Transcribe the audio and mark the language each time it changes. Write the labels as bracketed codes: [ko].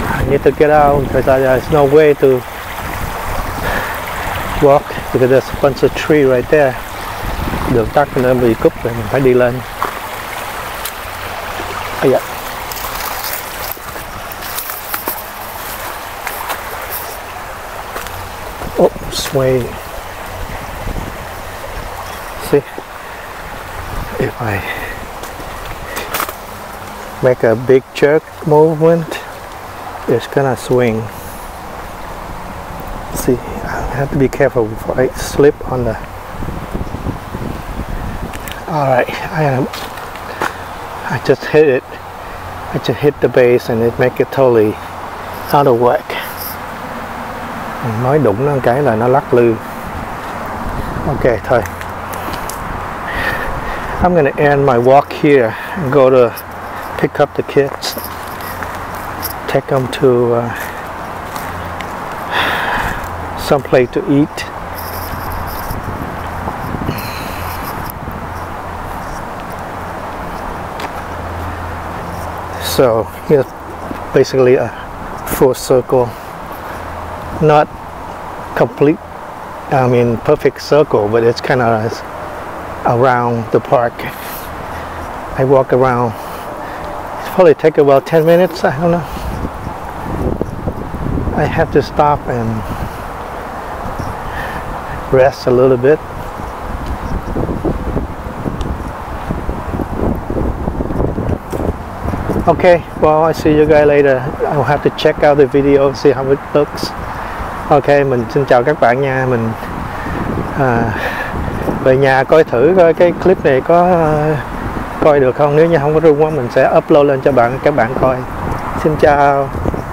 [en] Need to get out because there's no way to walk because there's a bunch of tree right there. [vi] Đường tắt nên bị cúp rồi, mình phải đi lên. Ây da. [en] Oh, sway. See, if I make a big jerk movement, it's gonna swing. See, I have to be careful before I slip on the. All right, I just hit it. I just hit the base and it make it totally out of whack. [vi] Nói đụng nó cái là nó lắc lư. Ok thôi. [en] I'm gonna end my walk here and go to pick up the kids, take them to some place to eat. So here's basically a full circle, not complete, I mean perfect circle, but it's kind of around the park. I walk around, it's probably take about 10 minutes, I don't know. I have to stop and rest a little bit. Okay, well I see you guys later. I'll have to check out the video, see how it looks. [vi] Ok, mình xin chào các bạn nha. Mình về nhà coi thử coi cái clip này có coi được không. Nếu như không có rung quá mình sẽ upload lên cho bạn, các bạn coi. Xin chào.